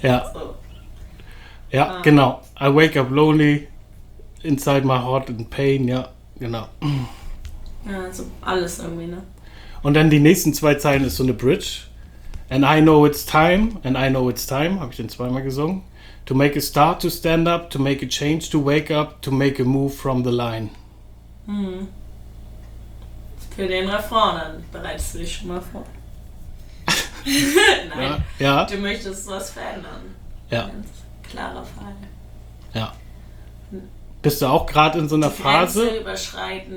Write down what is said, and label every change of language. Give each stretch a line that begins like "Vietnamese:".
German: Ja. Ja, genau.
English: I wake up lonely inside my heart in pain.
German: Ja, genau. Ja, also alles irgendwie, ne? Und dann die nächsten zwei Zeilen ist so eine Bridge.
English: And I know it's time,
German: habe ich den zweimal gesungen.
English: To make a start to stand up, to make a change to wake up, to make a move from the line.
German: Für den Refrain, dann bereitest du dich schon mal vor. Nein, ja. Du möchtest was verändern. Ja. Klarer Fall. Ja. Bist du auch gerade in so einer die Phase? Überschreiten